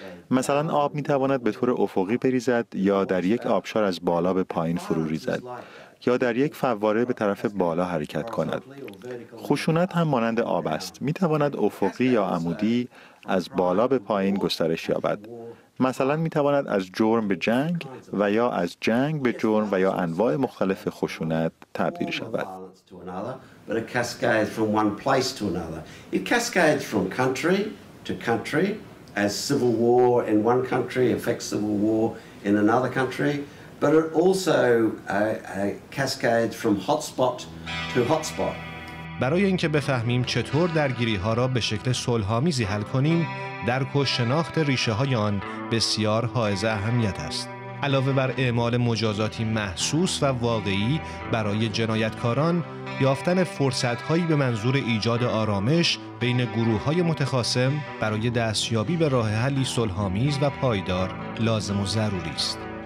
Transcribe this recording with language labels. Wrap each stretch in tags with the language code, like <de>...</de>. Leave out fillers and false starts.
<fa>مثلا آب می تواند به طور افقی بریزد یا در یک آبشار از بالا به پایین فرو ریزد یا در یک فواره به طرف بالا حرکت کند. خشونت هم مانند آب است. می تواند افقی یا عمودی از بالا به پایین گسترش یابد. مثلا می تواند از جرم به جنگ و یا از جنگ به جرم و یا انواع مختلف خشونت تبدیل شود.</fa> <en>But it cascades from one place to another. It cascades from country to country as civil war in one country affects civil war in another country. But it also cascades from hotspot to hotspot.</en> <fa>برای اینکه بفهمیم چطور درگیری‌ها را به شکل صلح‌آمیزی حل کنیم، درک و شناخت ریشه‌های آن بسیار حائز اهمیت است. علاوه بر اعمال مجازاتی محسوس و واقعی برای جنایتکاران، یافتن فرصت‌هایی به منظور ایجاد آرامش بین گروه‌های متخاصم برای دستیابی به راه حلی صلح‌آمیز و پایدار لازم و ضروری است.</fa>